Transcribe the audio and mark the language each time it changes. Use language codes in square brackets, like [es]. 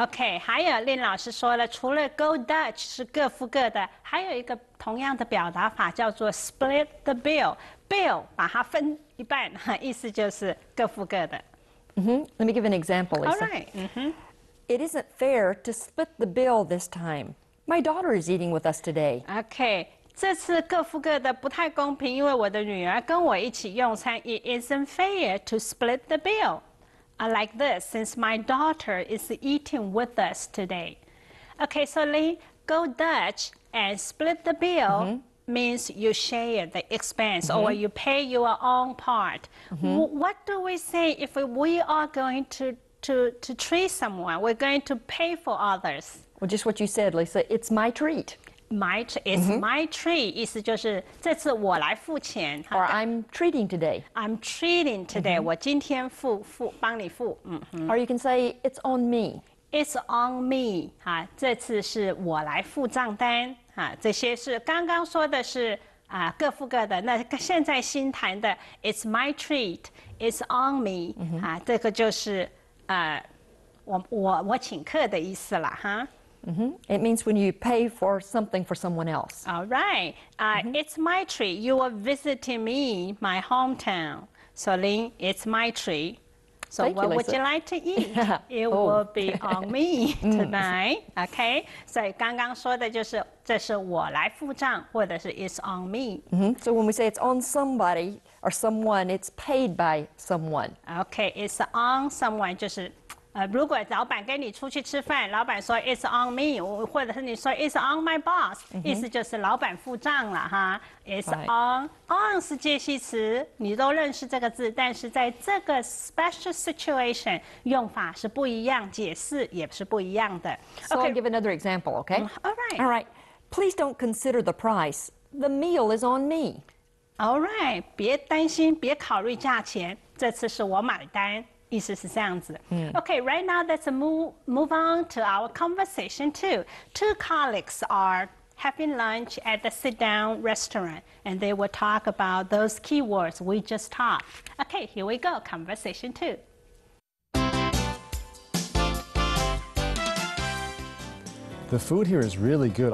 [zh] Okay, 还有林老师说了，除了 [en] go Dutch [zh] 是各付各的，还有一个同样的表达法叫做 [en] split the bill. [zh] Bill, 把它分一半，意思就是各付各的。 [en] Let me give an example, Lisa. All right. It isn't fair to split the bill this time. My daughter is eating with us today. Okay. [zh] 这次各付各的不太公平，因为我的女儿跟我一起用餐。 [en] It isn't fair to split the bill. Like this, since my daughter is eating with us today. Okay, so Lynn, go Dutch and split the bill means you share the expense or you pay your own part. What do we say if we are going to treat someone? We're going to pay for others. Well, just what you said, Lisa, it's my treat. My treat, [zh] 意思就是这次我来付钱。 [en] Or I'm treating today. I'm treating today. [zh] 我今天付帮你付。 [en] Or you can say it's on me. It's on me. [zh] 这次是我来付账单。这些是刚刚说的是各付各的。那现在新谈的 [en] it's my treat. It's on me. [zh] 这个就是我请客的意思了哈。 [en] It means when you pay for something for someone else. All right. It's my treat. You are visiting me, my hometown. So, Lynn, it's my treat. So, Thank what you, would you like to eat? It will be on me tonight. Okay. [zh] So, 刚刚说的就是这是我来付账，或者是 [en] it's on me. So, when we say it's on somebody or someone, it's paid by someone. [zh] Okay. [en] It's on someone, [zh] 就是如果老板跟你出去吃饭，老板说 [en] "It's on me"， [zh] 或者是你说 [en] "It's on my boss"， [zh] 意思就是老板付账了哈。 It's on 是介系词，你都认识这个字，但是在这个 [en] special situation [zh] 用法是不一样，解释也是不一样的。 [en] So I'll give another example, okay? All right. Please don't consider the price. The meal is on me. All right. [zh] 别担心，别考虑价钱，这次是我买单。意思是这样子。 [en] Okay, right now let's move on to our conversation too. Two colleagues are having lunch at the sit-down restaurant, and they will talk about those keywords we just talked. Okay, here we go, conversation two. The food here is really good.